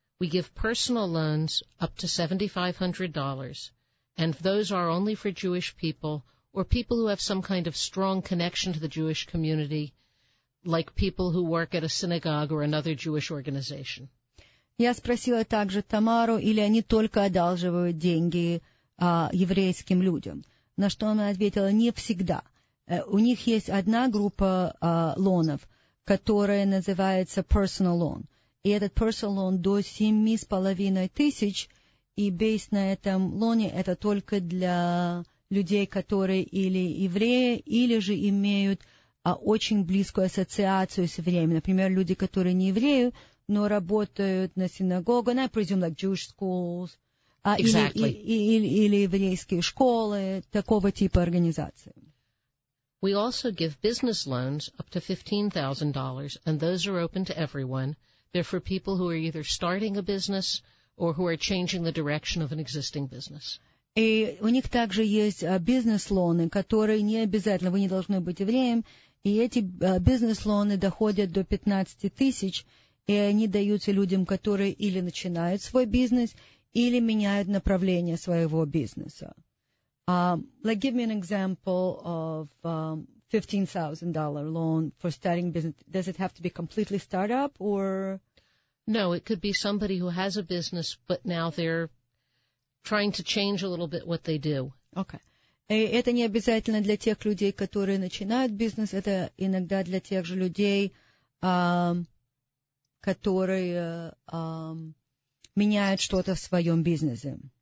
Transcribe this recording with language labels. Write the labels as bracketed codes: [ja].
[en] We give personal loans up to $7,500, and those are only for Jewish people or people who have some kind of strong connection to the Jewish community, like people who work at a synagogue or another Jewish organization. [ru] Я спросила также Тамару, или они только одалживают деньги еврейским людям. На что она ответила, не всегда. У них есть одна группа лонов, которая называется personal loan. И этот personal loan до 7,500, и based на этом лоне это только для людей, которые или евреи, или же имеют очень близкую ассоциацию с евреями. Например, люди, которые не евреи, но работают на синагогу, [en] and I presume like Jewish schools, [ru] или еврейские школы, такого типа организации. [en] We also give business loans up to $15,000, and those are open to everyone. They're for people who are either starting a business or who are changing the direction of an existing business. [ru] И у них также есть бизнес-лоны, которые не обязательно, вы не должны быть евреем, и эти бизнес-лоны доходят до 15,000, и они даются людям, которые или начинают свой бизнес, или меняют направление своего бизнеса. [en] Like, give me an example of $15,000 loan for starting business. Does it have to be completely startup or? No, it could be somebody who has a business, but now they're trying to change a little bit what they do. Okay. [ru] Это не обязательно для тех людей, которые начинают бизнес. Это иногда для тех же людей, которые меняют что-то в своем бизнесе.